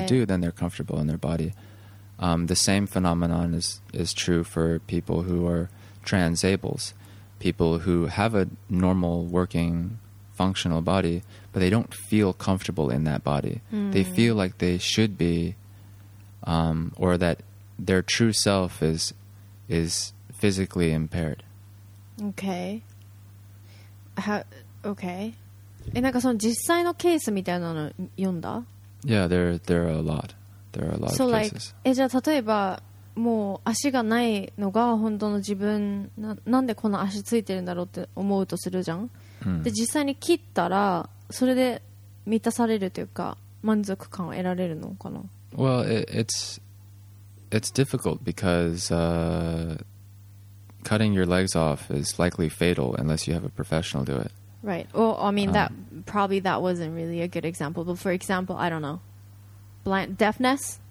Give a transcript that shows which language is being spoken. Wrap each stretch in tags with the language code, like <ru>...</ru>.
<en>they do, then they're comfortable in their body. The same phenomenon is true for people who are transables, people who have a normal working functional body, but they don't feel comfortable in that body. Mm. They feel like they should be, or that their true self is physically impaired. Okay. Okay.</en> <ja>え、なんかその実際のケースみたいなの読んだ？</ja> <en>Yeah, there are a lot. There are a lot so of like, cases.</en> <ja>え、じゃあ例えばもう足がないのが本当の自分 なんでこの足ついてるんだろうって思うとするじゃん、うん、で実際に切ったらそれで満たされるというか満足感を得られるのかな。</ja> <en>Well, it's difficult because cutting your legs off is likely fatal unless you have a professional do it. Right. Well, I mean that probably that wasn't really a good example, but for example, I don't know, deafness.</en>